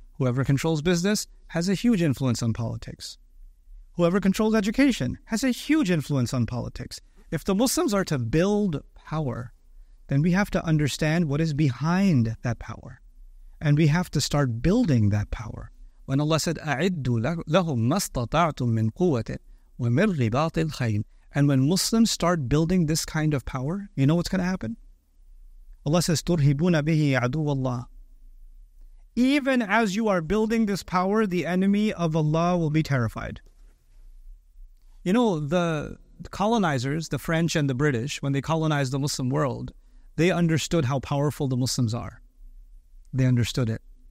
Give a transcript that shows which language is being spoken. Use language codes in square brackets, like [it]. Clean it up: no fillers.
[en] Whoever controls business has a huge influence on politics. Whoever controls education has a huge influence on politics. If the Muslims are to build power, then we have to understand what is behind that power. And we have to start building that power. When Allah said, [ar] أَعِدُّ لَهُمْ مَسْتَطَعْتُمْ مِنْ قُوَةٍ وَمِنْ رِبَاطِ الْخَيْلِ. [en] And when Muslims start building this kind of power, you know what's going to happen? Allah says, [ar] تُرْهِبُونَ بِهِ عَدُوَ اللَّهِ. [en] even as you are building this power, the enemy of Allah will be terrified. You know, the colonizers, the French and the British, when they colonized the Muslim world, they understood how powerful the Muslims are. They understood it.